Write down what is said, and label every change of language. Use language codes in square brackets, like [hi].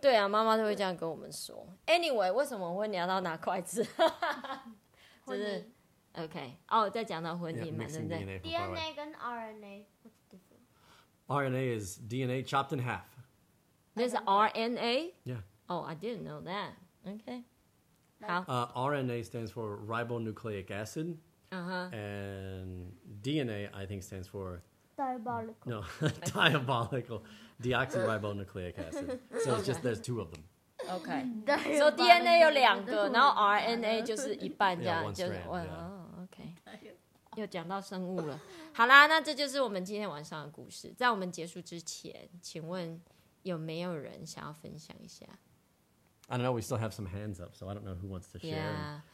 [zh] 可以看你可以架多远？哎，有一个而已哦！哎，怎么会这样？两个、三个？哦，哇！哦，对嘛！我跟你讲，妈妈都会这样说，是不是超级没科学根据？但是我们就相信了。好，对啊，妈妈都会这样跟我们说。 [en] Anyway， [zh] 为什么我会聊到拿筷子？就是OK，哦，再讲到婚姻嘛，对不对？DNA 跟 [en] RNA，what's the difference？RNA is DNA chopped in half. There's RNA. Yeah. Oh, I didn't know that. Okay. How? RNA stands for ribonucleic acid. Uh-huh. And DNA, I think, stands for... Diabolical. No, diabolical. Deoxyribonucleic acid. So okay. It's just there's two of them. Okay. [zh] So DNA 有两个，然后RNA就是一半这样。哦，okay。又讲到生物了。好啦，那这就是我们今天晚上的故事。在我们结束之前，请问有没有人想要分享一下？ [en] I don't know, we still have some hands up, so I don't know who wants to share.